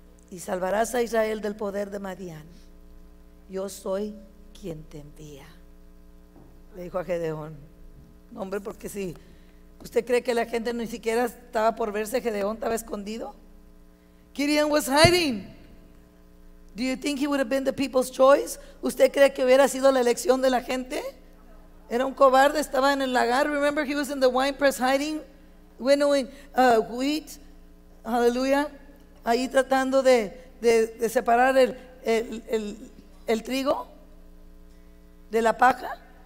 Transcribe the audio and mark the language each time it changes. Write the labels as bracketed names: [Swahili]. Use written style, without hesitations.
[Spanish] Y salvarás a Israel del poder de Madián. Yo soy quien te envía. Le dijo a Gedeón. Hombre, porque si usted cree que la gente ni siquiera estaba por verse, Gedeón estaba escondido. [English] Gideon was hiding. Do you think he would have been the people's choice? [Spanish] ¿Usted cree que hubiera sido la elección de la gente? Era un cobarde, estaba en el lagar. [English] Remember, he was in the wine press hiding, winnowing wheat. Hallelujah. [Spanish] Ahí tratando de separar el trigo de la paja.